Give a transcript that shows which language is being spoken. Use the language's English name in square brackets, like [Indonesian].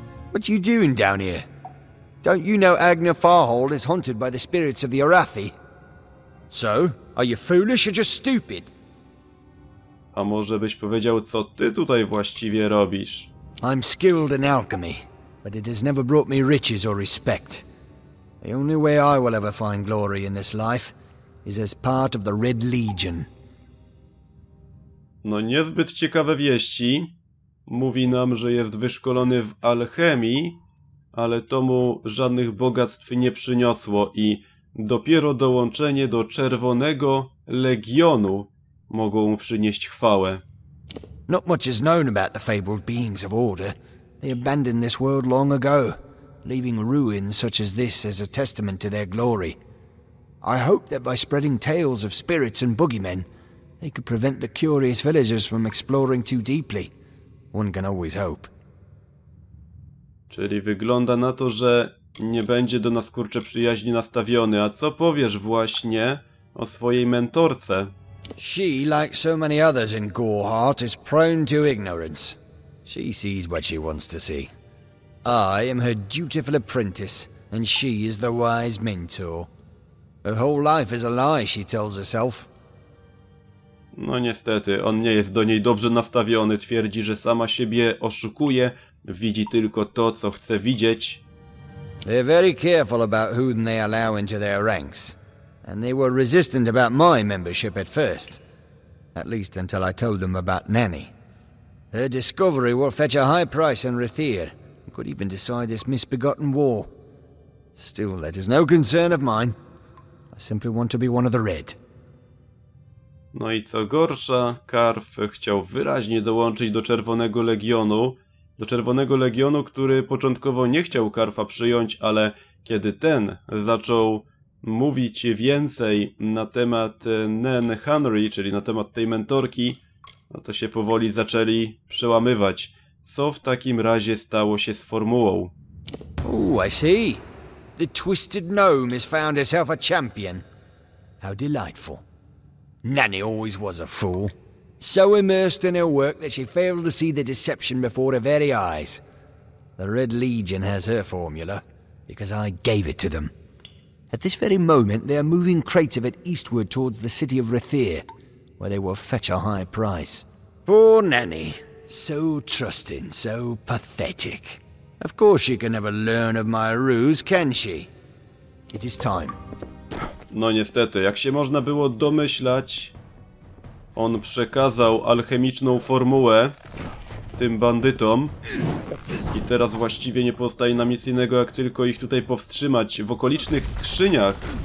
[English] What you doing down here? Don't you know Agnar Farhold is haunted by the spirits of the Arathi? So, are you foolish or just stupid? [Polish] A może byś powiedział, co ty tutaj właściwie robisz? [English] I'm skilled in alchemy, but it has never brought me riches or respect. The only way I will ever find glory in this life is as part of the Red Legion. [Polish] No niezbyt ciekawe wieści. Mówi nam, że jest wyszkolony w alchemii, ale to mu żadnych bogactw nie przyniosło i dopiero dołączenie do Czerwonego Legionu mogło mu przynieść chwałę. [English] Not much is known about the fabled beings of order. They abandoned this world long ago, leaving ruins such as this as a testament to their glory. I hope that by spreading tales of spirits and boogeymen, they could prevent the curious villagers from exploring too deeply. One can always hope. [Polish] Czyli wygląda na to, że nie będzie do nas kurczę przyjaźni nastawiony. A co powiesz właśnie o swojej mentorce? [English] She, like so many others in Gorehart, is prone to ignorance. She sees what she wants to see. I am her dutiful apprentice, and she is the wise mentor. Her whole life is a lie, she tells herself. [Polish] No niestety, on nie jest do niej dobrze nastawiony, twierdzi, że sama siebie oszukuje, widzi tylko to, co chce widzieć. [English] They're very careful about whom they allow into their ranks. And they were resistant about my membership at first. At least until I told them about Nanny. Her discovery will fetch a high price in Rhaethir, and could even decide this misbegotten war. Still, that is no concern of mine. I simply want to be one of the Red. [Polish] No i co gorsza, Karf chciał wyraźnie dołączyć do Czerwonego Legionu. Do Czerwonego Legionu, który początkowo nie chciał Karfa przyjąć, ale kiedy ten zaczął mówić więcej na temat Nen Henry, czyli na temat tej mentorki, no to się powoli zaczęli przełamywać. Co w takim razie stało się z formułą? [English] Oh, I see. The Twisted Gnome has found herself a champion. How delightful. Nanny always was a fool. So immersed in her work that she failed to see the deception before her very eyes. The Red Legion has her formula, because I gave it to them. At this very moment, they are moving crates of it eastward towards the city of Rhaethir, where they will fetch a high price. Poor Nanny. So trusting, so pathetic. Of course she can never learn of my ruse, can she? It is time. [Polish] No niestety, jak się można było domyślać, on przekazał alchemiczną formułę tym bandytom i teraz właściwie nie pozostaje nam nic innego, jak tylko ich tutaj powstrzymać w okolicznych skrzyniach.